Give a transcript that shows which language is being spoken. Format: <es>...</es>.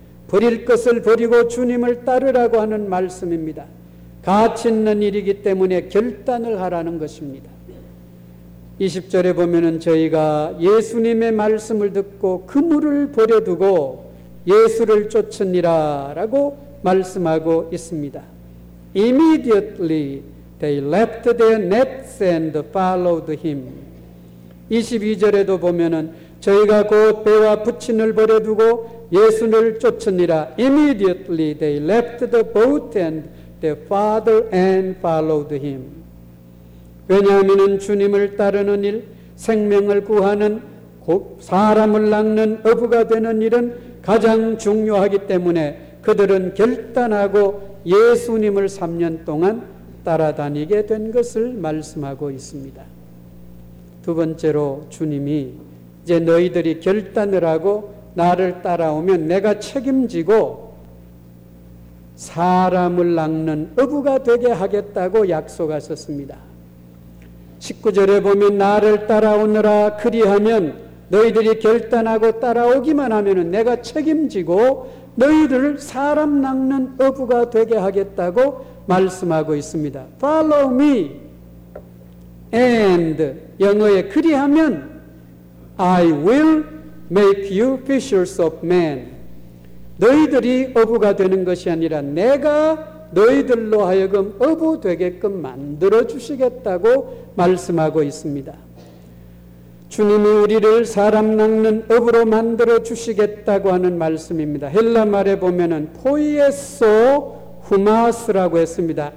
<ko>버릴 것을 버리고 주님을 따르라고 하는 말씀입니다. 가치 있는 일이기 때문에 결단을 하라는 것입니다. 20절에 보면은 저희가 예수님의 말씀을 듣고 그물을 버려두고 예수를 쫓으니라 라고 말씀하고 있습니다.</ko> <en>Immediately they left their nets and followed him.</en> <ko>22절에도 보면은 저희가 곧 배와 부친을 버려두고 예수를 쫓으니라.</ko> <en>Immediately they left the boat and their father and followed him.</en> <ko>왜냐하면 주님을 따르는 일, 생명을 구하는, 사람을 낚는 어부가 되는 일은 가장 중요하기 때문에 그들은 결단하고 예수님을 3년 동안 따라다니게 된 것을 말씀하고 있습니다. 두 번째로 주님이 이제 너희들이 결단을 하고 나를 따라오면 내가 책임지고 사람을 낚는 어부가 되게 하겠다고 약속하셨습니다. 19절에 보면 나를 따라오느라 그리하면 너희들이 결단하고 따라오기만 하면 내가 책임지고 너희들을 사람 낚는 어부가 되게 하겠다고 말씀하고 있습니다.</ko> <en>Follow me and</en> <ko>영어에 그리하면</ko> <en>I will make you fishers of men.</en> <ko>너희들이 어부가 되는 것이 아니라 내가 너희들로 하여금 어부 되게끔 만들어 주시겠다고 말씀하고 있습니다. 주님이 우리를 사람 낳는 어부로 만들어 주시겠다고 하는 말씀입니다. 헬라 말에 보면은 포이에소 후마스라고 했습니다.</ko>